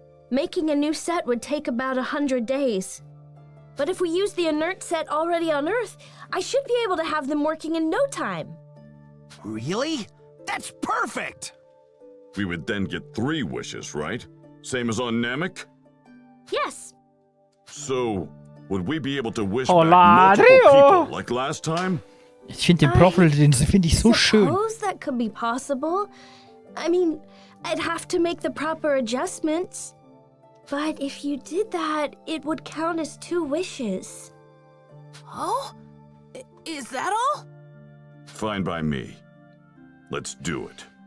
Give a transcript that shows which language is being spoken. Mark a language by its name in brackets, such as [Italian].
[English] Making a new set would take about 100 days. But if we use the inert set already on Earth, I should be able to have them working in no time. Really? That's perfect! We would then get 3 wishes, right? Same as on Namek? Yes. So, would we be able to wish back multiple people like last time? [German] Ich finde den Profil, den finde ich so schön. [English] I suppose that could be possible. I mean, I'd have to make the proper adjustments. But if you did that, it would count as 2 wishes. Oh? Is that all? Fine by me. Let's do it.